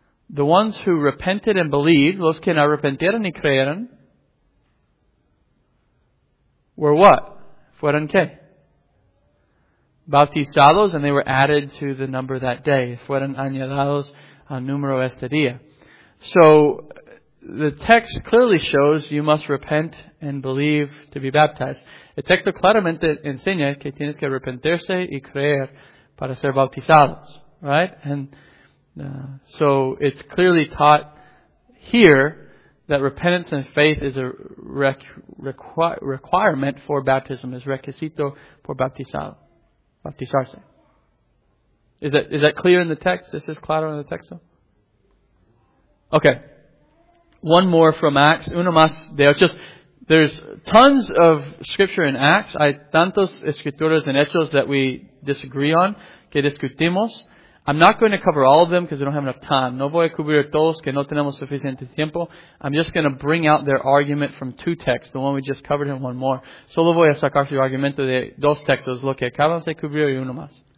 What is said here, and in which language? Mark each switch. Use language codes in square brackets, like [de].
[en] The ones who repented and believed, [es] los que arrepentieron y creyeron, [en] were what? [es] ¿Fueron qué? Bautizados, [en] and they were added to the number that day. [es] Fueron añadidos al número este día. [en] So, the text clearly shows you must repent and believe to be baptized. [es] El texto claramente enseña que tienes que arrepentirse y creer para ser bautizados. [en] Right? And so it's clearly taught here that repentance and faith is a requirement for baptism, is [es] requisito por bautizarse. [en] Is that clear in the text? Is this claro in the texto? Okay. One more from Acts. [es] Uno más de Hechos. [en] There's tons of scripture in Acts. [es] Hay tantos escrituras en Hechos [en] that we disagree on, [es] que discutimos. [en] I'm not going to cover all of them because we don't have enough time. [es] No voy a cubrir todos que no tenemos suficiente tiempo. [en] I'm just going to bring out their argument from two texts, the one we just covered, and one more. [es] Solo voy a sacar su argumento de dos textos, lo que acabamos de cubrir y uno más.